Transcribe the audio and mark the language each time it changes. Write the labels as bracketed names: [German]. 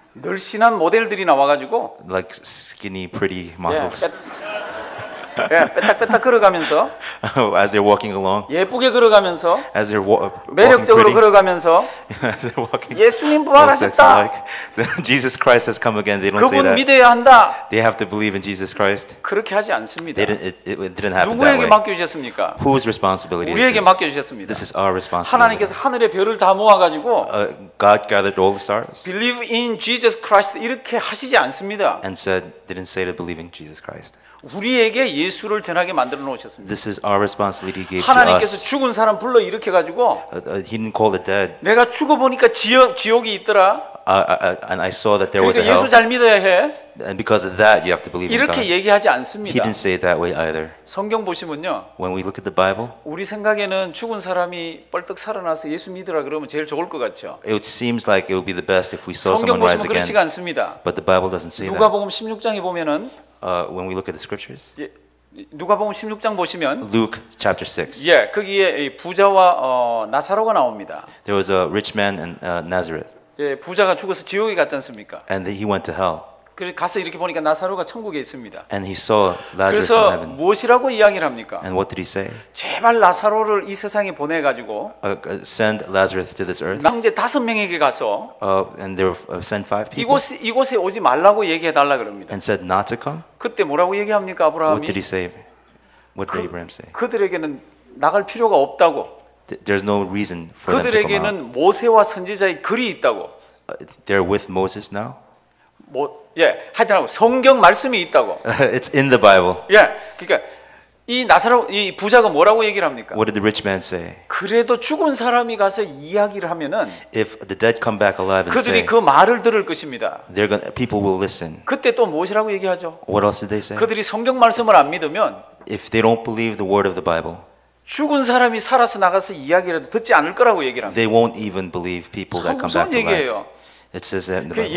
[Korean] 늘씬한 모델들이 나와가지고. [English] Like skinny, pretty models. [Korean] 예, 빼딱빼딱 걸어가면서. [English] As they're walking along. [Korean] 예쁘게 걸어가면서. [English] As they're walking pretty. [Korean] 매력적으로 걸어가면서. [English] As they're walking. [Korean] 예수님 부활하셨다. [English] Then Jesus Christ has come again. They don't say that. [Korean] 그분 믿어야 한다. [English] They have to believe in Jesus Christ. [Korean] 그렇게 하지 않습니다. [English] It didn't happen that way. [Korean] 누구에게 맡겨주셨습니까? [English] Whose responsibility is this? [Korean] 우리에게 맡겨주셨습니다. [English] This is our responsibility. [Korean] 하나님께서 하늘의 별을 다 모아가지고. [English] God gathered all the stars. Believe in Jesus Christ. [Korean] 이렇게 하시지 않습니다. [English] And said, didn't say to believe in Jesus Christ. [Korean] 우리에게 예수를 전하게 만들어 놓으셨습니다. [English] This is our responsibility he gave to us. [Korean] 하나님께서 죽은 사람 불러 이렇게 가지고 [English] he didn't call the dead. [Korean] 내가 죽어 보니까 지옥이 있더라. [English] And I saw that there was a hell. [Korean] 예수 잘 믿어야 해. [English] And because of that you have to believe in God. [Korean] 이렇게 얘기하지 않습니다. [English] He didn't say that way either. [Korean] 성경 보시면요. [English] When we look at the Bible. [Korean] 우리 생각에는 죽은 사람이 뻘떡 살아나서 예수 믿으라 그러면 제일 좋을 것 같죠. [English] It seems like it would be the best if we saw someone rise again. [Korean] 성경 보시면 그렇지 않습니다. [English] But the Bible doesn't say that. [Korean] 누가복음 16장에 보면은 [English] when we look at the scriptures. [Korean] 예, 누가복음 16장 보시면 [English] Luke chapter 6. [Korean] 예, 거기에 부자와 나사로가 나옵니다. [English] There was a rich man and Nazareth. [Korean] 예, 부자가 죽어서 지옥에 갔지 않습니까? [English] And he went to hell. [Korean] 그래서 가서 이렇게 보니까 나사로가 천국에 있습니다. [English] And he saw Lazarus in heaven. [Korean] 그래서 무엇이라고 이야기를 합니까? [English] And what did he say? [Korean] 제발 나사로를 이 세상에 보내 가지고 [English] send Lazarus to this earth. [Korean] 남자 다섯 명에게 가서 [English] and there send five people. [Korean] 이곳에 오지 말라고 얘기해 달라 그럽니다. [English] And said not to come. [Korean] 그때 뭐라고 얘기합니까? 아브라함이 [English] What did he say? What did Abraham say? [Korean] 그들에게는 나갈 필요가 없다고. [English] There's no reason for them to come. [Korean] 그들에게는 모세와 선지자의 글이 있다고. [English] They're with Moses now. [Korean] 뭐 예, 하여튼 성경 말씀이 있다고. [English] It's in the Bible. [Korean] 예, 그러니까 이 부자가 뭐라고 얘기를 합니까? [English] What did the rich man say? [Korean] 그래도 죽은 사람이 가서 이야기를 하면은 [English] If the dead come back alive and say, [Korean] 그들이 그 말을 들을 것입니다. [English] They're gonna, people will listen. [Korean] 그때 또 무엇이라고 얘기하죠? [English] What else did they say? [Korean] 그들이 성경 말씀을 안 믿으면 [English] If they don't believe the word of the Bible. [Korean] 죽은 사람이 살아서 나가서 이야기라도 듣지 않을 거라고 얘기를 합니다. [English] They won't even believe people that come back to life. It says that in the Bible.